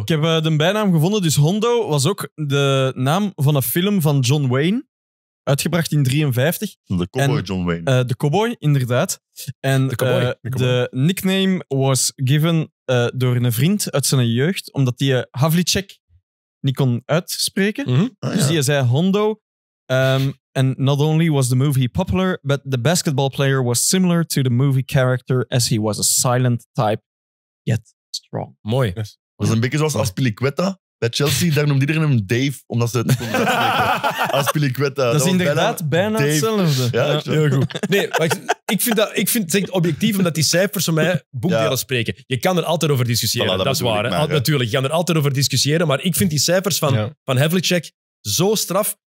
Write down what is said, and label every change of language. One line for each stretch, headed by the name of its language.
Dutch: Ik heb de bijnaam gevonden. Dus Hondo was ook de naam van een film van John Wayne. Uitgebracht in 1953. De cowboy en, John Wayne. De cowboy, inderdaad. En de nickname
English: was given
Dutch: door een vriend uit zijn jeugd, omdat die Havlicek... niet kon uitspreken. Mm-hmm. Ah, ja. Dus je zei Hondo.
English: And not only was the movie popular, but the basketball player was similar to the movie character as he was a silent type, yet strong.
Dutch: Mooi. Dat is een beetje zoals Azpilicueta bij Chelsea. Daar noemde iedereen hem Dave, omdat ze het niet konden uitspreken. Azpilicueta. Dat is inderdaad bijna hetzelfde. Ja, heel goed. Nee, maar ik vind het echt objectief, omdat die cijfers van mij boekdelen spreken. Je kan er altijd over discussiëren, voilà, dat is waar. Maar, natuurlijk, je kan er altijd over discussiëren, maar ik vind die cijfers van Havlicek zo straf.